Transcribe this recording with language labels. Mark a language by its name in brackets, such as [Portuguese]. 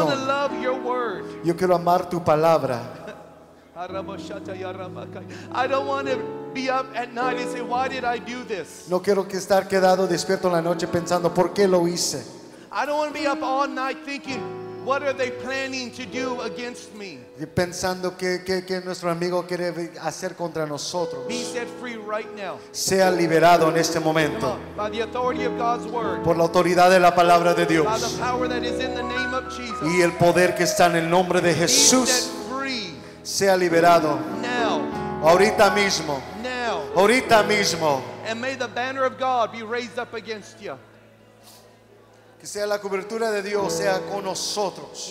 [English] I want to love your word. [Spanish] Yo quiero amar tu palabra. [English] I don't want to be up at night and say, why did I do this? [Spanish] No quiero que estar quedado despierto en la noche pensando, ¿por qué lo hice? [English] I don't want to be up all night thinking, what are they planning to do against me? [Spanish] Pensando que nuestro amigo quiere hacer contra nosotros. [English] Be set free right now. [Spanish] Sea liberado en este momento. [English] Come on, by the authority of God's word. [Spanish] Por la autoridad de la palabra de Dios. [English] By the power that is in the name of Jesus. [Spanish] Y el poder que está en el nombre de Jesús. [English] Be set free. [Spanish] Sea liberado. [English] Now. [Spanish] Ahorita mismo. [English] Now. [Spanish] Ahorita mismo. [English] And may the banner of God be raised up against you. [Spanish] Que sea la cobertura de Dios sea con nosotros.